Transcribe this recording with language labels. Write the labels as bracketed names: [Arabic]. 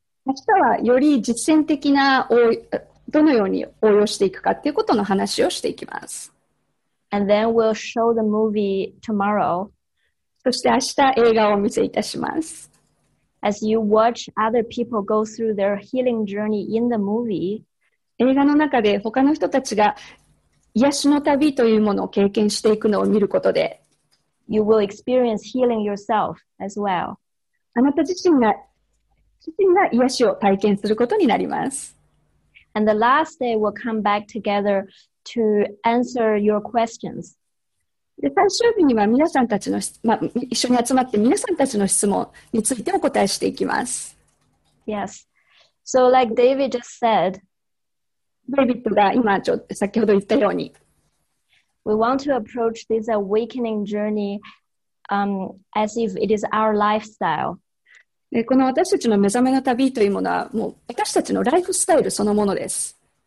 [Japanese] 明日はより実践的な、どのように応用していくかということの話をしていきます。 [English] And then we'll show the movie tomorrow. [Japanese] そして明日映画をお見せいたします。 [English] As you watch other people go through their healing journey in the movie, [Japanese] 映画の中で他の人たちが癒しの旅というものを経験していくのを見ることで、 [English] you will experience healing yourself as well. [Japanese] あなた自身が癒しを体験することになります。 [English] And the last day we'll come back together to answer your questions. [Japanese] で最終日には皆さんたちの、一緒に集まって皆さんたちの質問についてお答えしていきます。 [English] Yes. So like David just said, [Japanese] デイビッドが今ちょっと先ほど言ったように、 [English] We want to approach this awakening journey, as if it is our lifestyle. [Japanese] でこの私たちの目覚めの旅というものはもう私たちのライフスタイルそのものです。